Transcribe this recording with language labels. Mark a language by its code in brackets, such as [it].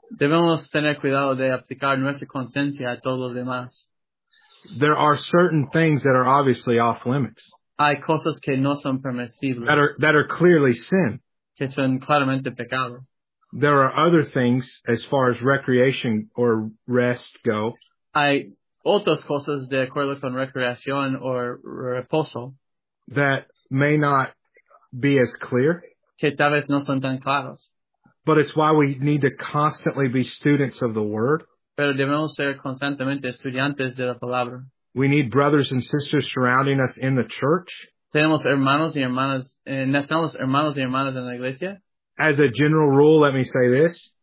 [es] Debemos tener cuidado de aplicar nuestra conciencia a todos los demás. [en] There are certain things that are obviously off limits. [es] Hay cosas que no son permisibles. [en] That are clearly sin. [es] Que son claramente pecado. [en] There are other things as far as recreation or rest go. [es] Otras cosas de acuerdo con recreación o reposo. [en] That may not be as clear. [es] Que tal vez no son tan claros. [en] But it's why we need to constantly be students of the word. [es] Pero debemos ser constantemente estudiantes de la palabra. [en] We need brothers and sisters surrounding us in the church. [es] Tenemos hermanos y hermanas, necesitamos hermanos y hermanas en la iglesia. [en] As a general rule, let me say this.